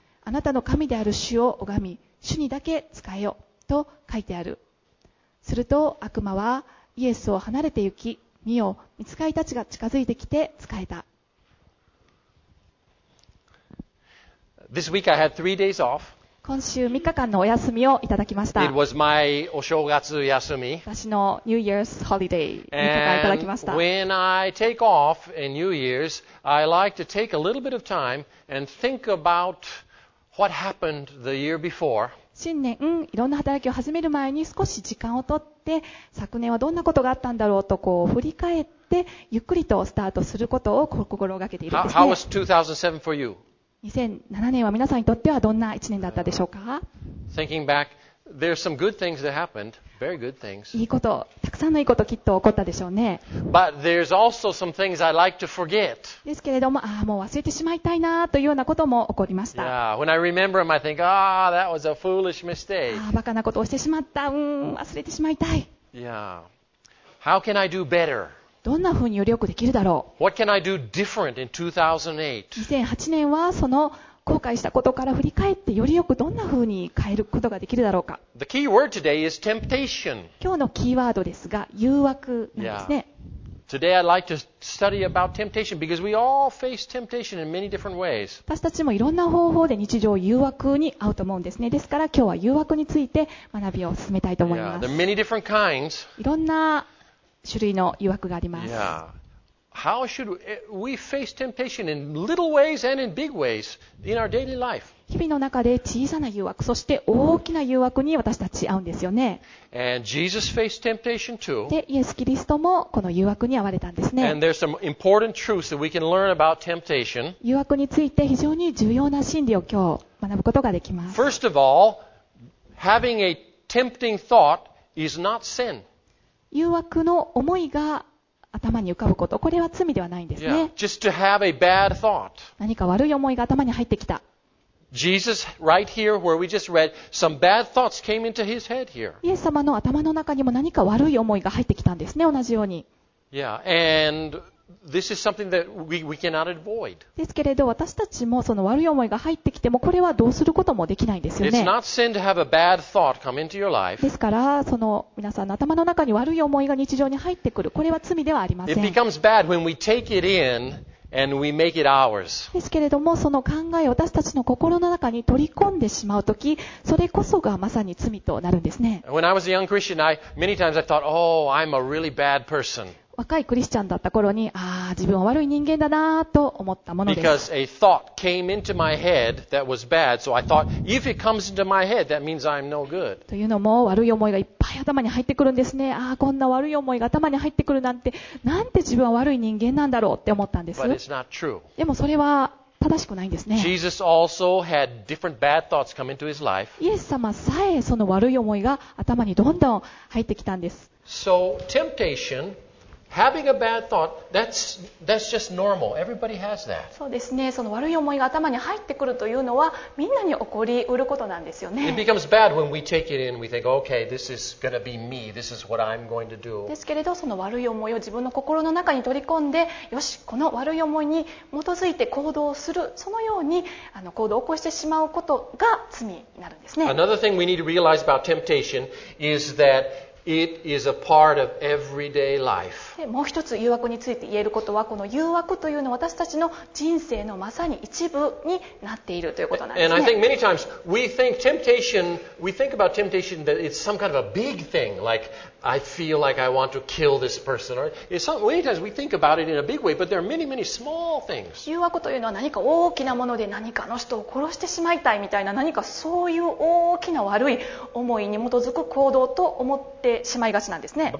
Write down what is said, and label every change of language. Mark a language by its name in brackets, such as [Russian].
[Japanese] あなたの神である主を拝み、主にだけ仕えよと書いてある。すると悪魔はイエスを離れて行き、見よ、御使いたちが近づいてきて仕えた。 [English] This week I had 3 days off. [Japanese] 今週3日間のお休みをいただきました。 [English] It was my [Japanese] お正月休み。私の [English] New Year's holiday [Japanese] 3日間いただきました。 [English] And when I take off in New Year's, I like to take a little bit of time and think about what happened the year before. [Japanese] 新年、いろんな働きを始める前に少し時間を取って、昨年はどんなことがあったんだろうとこう振り返って、ゆっくりとスタートすることを心がけているんですね。 [English] How was 2007 for you? [Japanese] 2007年は皆さんにとってはどんな1年だったでしょうか? [English] Thinking back, there's some good things that happened. Very good things. [Japanese] いいこと、たくさんのいいこときっと起こったでしょうね。 [English] But there's also some things I like to forget. [Japanese] ですけれども、ああ、もう忘れてしまいたいなというようなことも起こりました。 [English] Yeah, when I remember them, I think, ah, that was a foolish mistake. [Japanese] ああ、バカなことをしてしまった。忘れてしまいたい。 [English] Yeah. How can I do better? [Japanese] どんなふうによりよくできるだろう。 [English] What can I do different in 2008? [Japanese] 2008年はその後悔したことから振り返ってよりよくどんなふうに変えることができるだろうか。 [English] The key word today is temptation. [Japanese] 今日のキーワードですが誘惑なんですね。 [English] Yeah. Today I'd like to study about temptation because we all face temptation in many different ways. [Japanese] 私たちもいろんな方法で日常誘惑に遭うと思うんですね。ですから今日は誘惑について学びを進めたいと思います。 [English] Yeah, there are many different kinds. [Japanese] いろんな種類の誘惑があります。 [English] Yeah. How should we face temptation in little ways and in big ways in our daily life? [Japanese] 日々の中で小さな誘惑、そして大きな誘惑に私たち遭うんですよね。 [English] And Jesus faced temptation too. [Japanese] で、イエス・キリストもこの誘惑に遭われたんですね。 [English] And there's some important truths that we can learn about temptation. [Japanese] 誘惑について非常に重要な真理を今日学ぶことができます。 [English] First of all, having a tempting thought is not sin. [Japanese] 誘惑の思いが頭に浮かぶこと、これは罪ではないんですね。 [English] Yeah, just to have a bad thought. [Japanese] 何か悪い思いが頭に入ってきた。 [English] Jesus, right here, where we just read, some bad thoughts came into his head here. [Japanese] イエス様の頭の中にも何か悪い思いが入ってきたんですね、同じように。 [English] Yeah, and this is something that we cannot avoid. [Japanese] ですけれど、私たちもその悪い思いが入ってきても、これはどうすることもできないんですよね。 [English] It's not sin to have a bad thought come into your life. [Japanese] ですから、その皆さんの頭の中に悪い思いが日常に入ってくる、これは罪ではありません。 [English] It becomes bad when we take it in. And we make it ours. [Japanese] ですけれども、その考えを私たちの心の中に取り込んでしまうとき、それこそがまさに罪となるんですね。 [English] When I was a young Christian, many times I thought, oh, I'm a really bad person. [Japanese] 若いクリスチャンだった頃に、ああ、自分は悪い人間だなと思ったものです。 [English] Because a thought came into my head that was bad, so I thought, if it comes into my head, that means I'm no good. [Japanese] というのも、悪い思いがいっぱい頭に入ってくるんですね。ああ、こんな悪い思いが頭に入ってくるなんて、なんて自分は悪い人間なんだろうって思ったんです。 [English] But it's not true. [Japanese] でもそれは正しくないんですね。 [English] Jesus also had different bad thoughts come into his life. [Japanese] イエス様さえその悪い思いが頭にどんどん入ってきたんです。 [English] So, temptation,Having a bad thought, that's just normal. Everybody has that. [Japanese] そうですね。その悪い思いが頭に入ってくるというのはみんなに起こりうることなんですよね。 [English] It becomes bad when we take it in. We think, okay, this is going to be me. This is what I'm going to do. [Japanese] ですけれど、その悪い思いを自分の心の中に取り込んで、よし、この悪い思いに基づいて行動する。そのように行動を起こしてしまうことが罪になるんですね。 [English] Another thing we need to realize about temptation is that. It is a part of everyday life. [Japanese] もう一つ誘惑について言えることは、この誘惑というのは私たちの人生のまさに一部になっているということなんですね。 [English] And I think many times we think temptation, we think about temptation that it's some kind of a big thing, like I feel like I want to kill this person. Or some, many times we think about it in a big way, but there are many, many small things. [Japanese] 誘惑というのは何か大きなもので何かの人を殺してしまいたいみたいな何かそういう大きな悪い思いに基づく行動と思ってしまいがちなんですね。